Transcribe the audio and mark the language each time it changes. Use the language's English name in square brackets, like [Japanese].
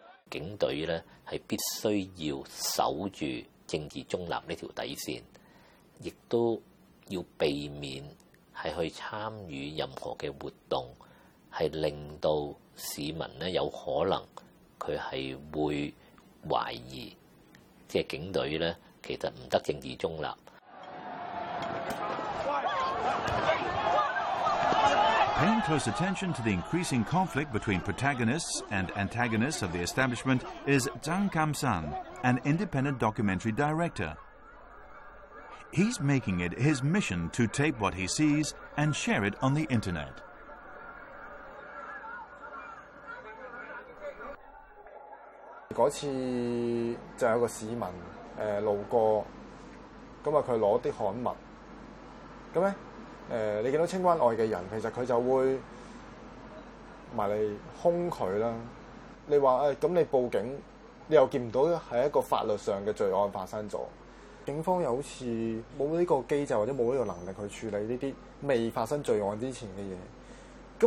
[Cantonese] 警隊咧係必須要守住政治中立呢條底線，亦都要避免係去參與任何嘅活動，係令到市民咧有可能佢係會懷疑，即係警隊咧其實唔得政治中立。 [English] Paying close attention to the increasing conflict between protagonists and antagonists of the establishment is Zhang Kam San, an independent documentary director. He's making it his mission to tape what he sees and share it on the internet. That time, there was a citizen passing by, and he took some Chinese food. [Cantonese] 你見到清關外的人，其實他就會埋嚟兇佢啦。你話咁你報警，你又見唔到係一個法律上的罪案發生咗，警方又好似冇呢個機制或者冇呢個能力去處理呢啲未發生罪案之前嘅嘢。